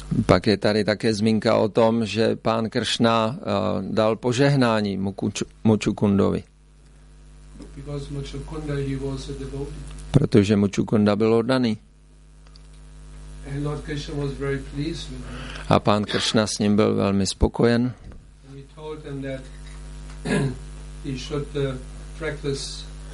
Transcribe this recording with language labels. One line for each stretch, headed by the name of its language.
Czech: Pak je tady také zmínka o tom, že pán Kršna dal požehnání Mukshakundovi.
English: Because Mukshakunda, he was a devotee.
Czech: Protože Mukshakunda byl oddaný.
English: And Lord Krishna was very pleased with him.
Czech: A pán Kršna s ním byl velmi spokojen.
English: And he told him that he should practice.